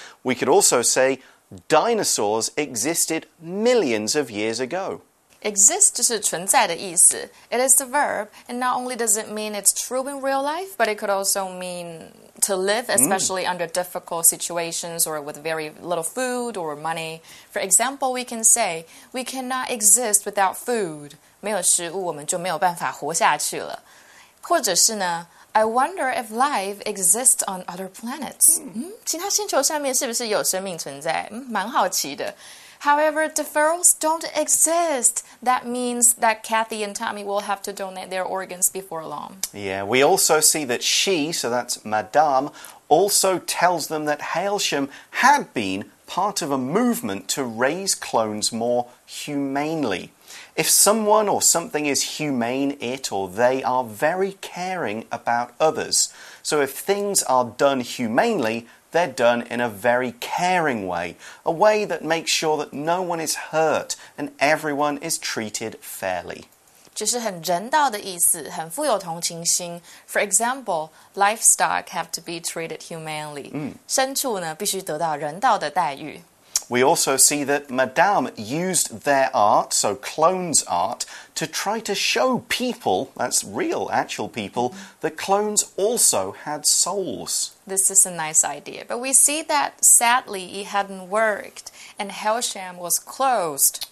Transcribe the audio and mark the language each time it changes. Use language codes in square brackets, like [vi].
[en] We could also say dinosaurs existed millions of years ago. [zh] Exist 就是存在的意思。 [en] It is the verb, and not only does it mean it's true in real life, but it could also mean to live, especially under difficult situations or with very little food or money. For example, we can say, we cannot exist without food. [zh] 没有食物我们就没有办法活下去了。或者是呢 [en] I wonder if life exists on other planets.、 [zh] 其他星球上面是不是有生命存在、蛮好奇的。 [en] However, deferrals don't exist. That means that Kathy and Tommy will have to donate their organs before long. Yeah, we also see that she, so that's Madame, also tells them that Hailsham had been part of a movement to raise clones more humanely. If someone or something is humane, it or they are very caring about others. So if things are done humanely, they're done in a very caring way. A way that makes sure that no one is hurt and everyone is treated fairly. [zh] 就是很人道的意思，很富有同情心。 [en] For example, livestock have to be treated humanely. [zh] 牲畜呢，必须得到人道的待遇。 [en] We also see that Madame used their art, so clones' art, to try to show people, that's real, actual people, that clones also had souls. This is a nice idea. But we see that, sadly, it hadn't worked, and Hailsham was closed.